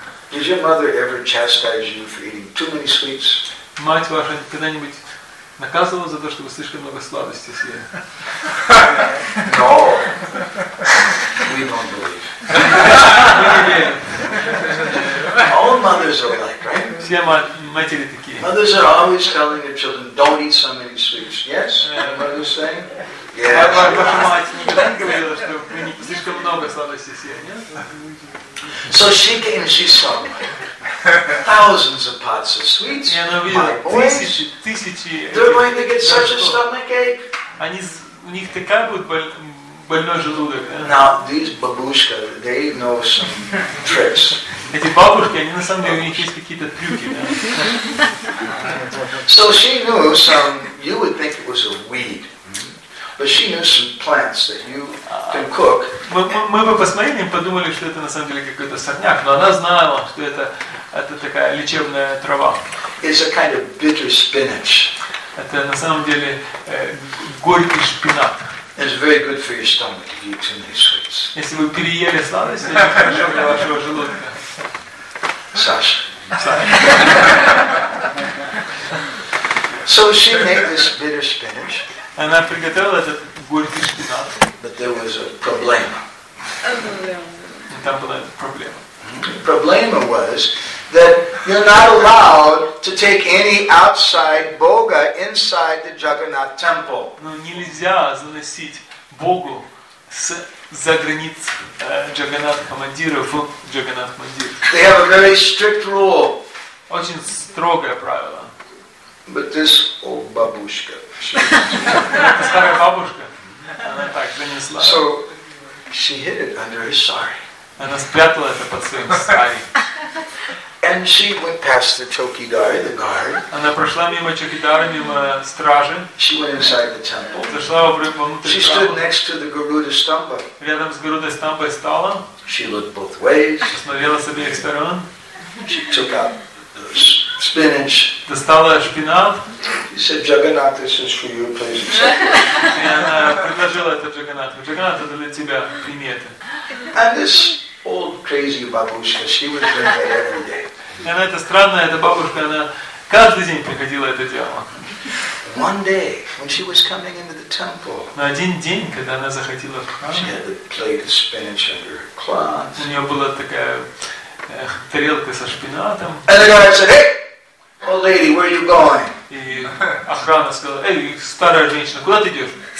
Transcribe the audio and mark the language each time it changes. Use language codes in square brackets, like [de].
[en] Did your mother ever chastise you for eating too many sweets? [ru] Мать ваша когда-нибудь наказывала за то, что вы слишком много сладостей съели? [en] No. We don't believe. All mothers are like, right? [ru] Все матери такие. [en] Mothers are always telling their children, don't eat so many sweets. Yes? Mother's saying? Yes. [ru] Ваша мать никогда не говорила, что вы слишком много сладостей съели, нет? [en] So she came and she saw thousands of pots of sweets. [ru] И она увидела тысячи. [en] They're going to get such a stomach ache. [ru] Они у них такая будет больной желудок. [en] Now these babushka, they know some tricks. [ru] Эти бабушки, они на самом деле у них есть какие-то трюки. [en] So she knew some. You would think it was a weed. But she knew some plants that you can cook. [ru] Мы бы посмотрели и подумали, что это на самом деле какой-то сорняк. Но она знала, что это такая лечебная трава. [en] It's a kind of bitter spinach. [ru] Это на самом деле горький шпинат. [en] It's very good for your stomach if you eat too many sweets. [ru] Если вы переели сладости, это хорошо для вашего желудка. Саша. [en] So she made this bitter spinach. [ru] Она приготовила этот горький шпинат. [en] But there was a problema. [ru] Там была проблема. [en] Problema was that you're not allowed to take any outside boga inside the Jagannath temple. [ru] Ну нельзя заносить богу с за границ Джаганнат-мандира в Джаганнат-мандир. [en] They have a very strict rule. [ru] Очень строгое правило. [en] But this old бабушка. [ru] Старая бабушка. Она так занесла. [en] So she hid it under her sari. [ru] Она спрятала это под своим сари. [en] And she went past the chokidar, the guard. [ru] Она прошла мимо чокидара, мимо стражи. [en] She went inside the temple. [ru] Зашла внутрь. [en] She stood next to the Garuda Stamba. [ru] Рядом с Garuda Stambai стала. [en] She looked both ways. [ru] Посмотрела с обеих сторон. [en] She took out the spinach. [ru] Достала шпинат. [en] She said, "Jagannath, this is for you, please." [ru] И она предложила это Джаганнату. Джаганнат, это для тебя приметы. [en] And this old crazy babushka, she would bring that every day. [ru] Она эта странная эта бабушка, она каждый день приходила это дело. [en] One day, when she was coming into the temple, [ru] на один день, когда она заходила в храм, [en] she had a plate of spinach under her clothes. [ru] У нее была такая тарелка со шпинатом. [en] And the guy said, "Hey, old lady, where are you going?" [ru] И охрана сказала, "Эй, старая женщина, куда ты идешь?"